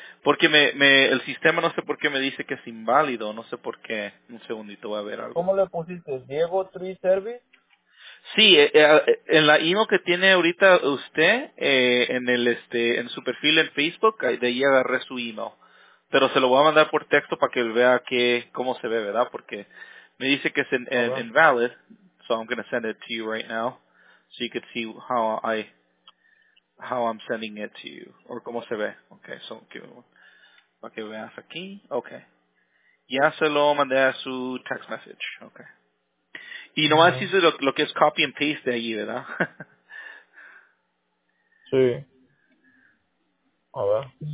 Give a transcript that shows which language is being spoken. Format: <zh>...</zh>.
<es>Porque me el sistema no sé por qué me dice que es inválido. No sé por qué. Un segundito, voy a ver algo. ¿Cómo le pusiste? Diego Tree Service. Sí, en la email que tiene ahorita usted, en el en su perfil en Facebook, de ahí agarré su email. Pero se lo voy a mandar por texto para que él vea que, cómo se ve, ¿verdad? Porque me dice que es</es> <en>invalid, so I'm going to send it to you right now, so you could see how I'm sending it to you, or</en> <es>cómo se ve. Okay, so para que veas aquí, okay. Ya se lo mandé a su text message, okay. Y no más hice lo que es copy and paste de allí, ¿verdad? Sí. A ver.</es>